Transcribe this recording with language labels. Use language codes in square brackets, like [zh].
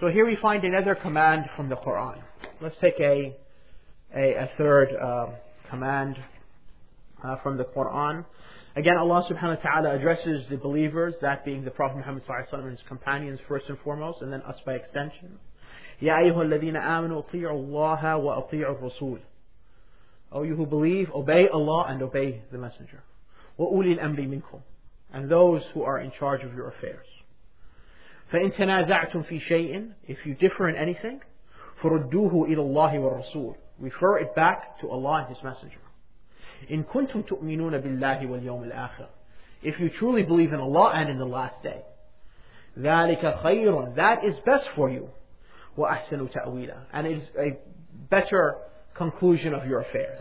[en] So here we find another command from the Quran. Let's take a third command. From the Quran. Again, Allah subhanahu wa ta'ala addresses the believers, that being the Prophet Muhammad sallallahu alaihi wasallam and his companions first and foremost, and then us by extension. [ar] يا أيها الذين آمنوا اطيعوا الله واطيعوا الرسول. [en] O you who believe, obey Allah and obey the Messenger. [ar] وأولي الأمر منكم. [en] And those who are in charge of your affairs. [ar] فإن تنازعتم في شيء, [en] if you differ in anything, [ar] فردوه إلى الله والرسول. [en] Refer it back to Allah and His Messenger. [ar] إِن كُنْتُمْ تُؤْمِنُونَ بِاللَّهِ وَالْيَوْمِ الْآخِرِ [en] If you truly believe in Allah and in the last day, [ar] ذَلِكَ خَيْرٌ [en] That is best for you. [ar] وَأَحْسَنُ تَأْوِيلًا [en] And it is a better conclusion of your affairs.